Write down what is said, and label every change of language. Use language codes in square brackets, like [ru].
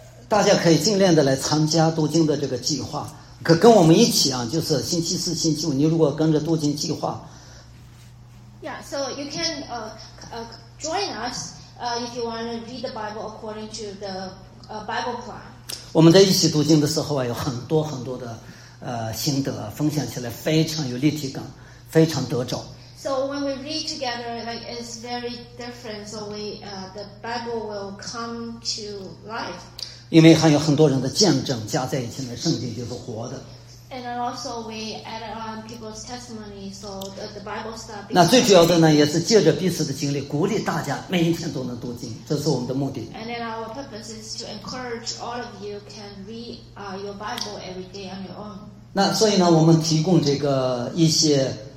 [zh] 大家可以尽量的来参加读经的这个计划，可跟我们一起啊，就是星期四星期五你如果跟着读经计划。 [en] Yeah, so you can join us if you want to read the Bible according to the Bible plan. [zh] 我们在一起读经的时候啊，有很多很多的心得啊，分享起来非常有立体感，非常得着。 [en] So when we read together, like it's very different. So we the Bible will come to life. [zh] 因为还有很多人的见证加在一起呢，圣经就是活的。 [en] And also we add on people's testimony, so the Bible starts. [zh] 那最主要的呢，也是借着彼此的经历，鼓励大家每一天都能读经，这是我们的目的。 [en] And then our purpose is to encourage all of you can read your Bible every day on your own. [zh] 那所以呢，我们提供这个一些。